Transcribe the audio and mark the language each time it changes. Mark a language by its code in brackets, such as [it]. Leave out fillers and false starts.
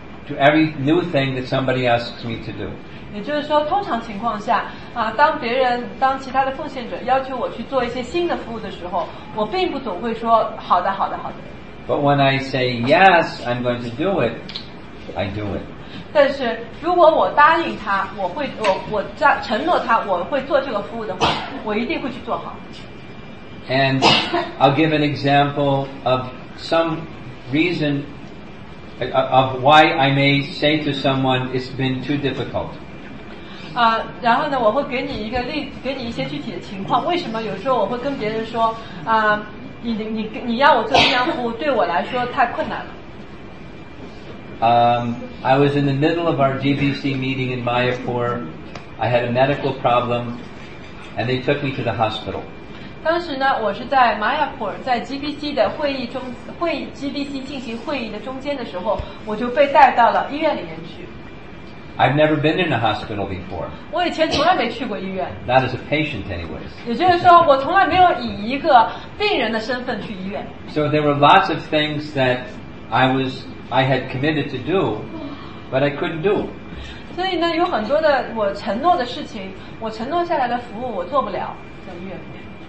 [en] to every new thing that somebody asks me to do. [zh] 也就是说，通常情况下，啊，当别人当其他的奉献者要求我去做一些新的服务的时候，我并不总会说好的，好的，好的。 [en] But when I say yes, I'm going to do it. I do it. [zh] 但是如果我答应他，我会我承诺他我会做这个服务的话，我一定会去做好。 [en] And I'll give an example of some reason of why I may say to someone it's been too difficult. [zh] 啊，然后呢，我会给你一个例，给你一些具体的情况。为什么有时候我会跟别人说啊？你要我做这样服务，对我来说太困难了。 [en] I was in the middle of our GBC meeting in Mayapur. I had a medical problem, and they took me to the hospital. [zh] 当时呢，我是在 Mayapur， 在 GBC 的会议中，会 GBC 进行会议的中间的时候，我就被带到了医院里面去。 [en] I've never been in a hospital before. [zh] 我以前从来没去过医院。 [en] Not as a patient, anyways. [zh] 也就是说，我从来没有以一个病人的身份去医院。 [en] So there were lots of things that I had committed to do, but I couldn't do. [zh] 所以呢，有很多的我承诺的事情，我承诺下来的服务，我做不了在医院里面。